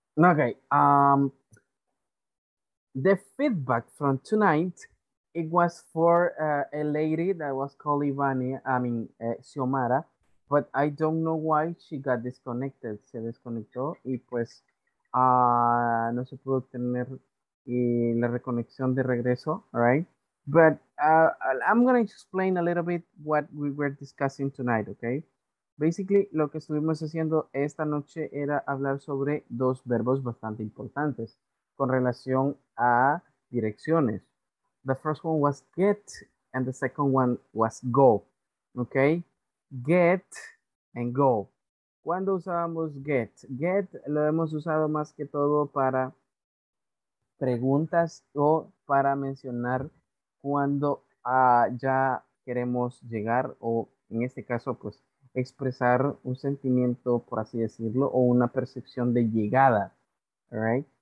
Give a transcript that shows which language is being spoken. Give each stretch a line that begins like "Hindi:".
English: Okay, the feedback from tonight, it was for a lady that was called Xiomara. But I don't know why she got disconnected.
Spanish: Se desconectó y pues no se pudo tener la reconexión de regreso, all right?
English: But I'm going to explain a little bit what we were discussing tonight, okay?
Spanish: Basically, lo que estuvimos haciendo esta noche era hablar sobre dos verbos bastante importantes con relación a direcciones.
English: The first one was get and the second one was go, okay? Get and go.
Spanish: ¿Cuándo usábamos get? Get lo hemos usado más que todo para preguntas o para mencionar cuando ya queremos llegar o en este caso pues expresar un sentimiento, por así decirlo, o una percepción de llegada, right?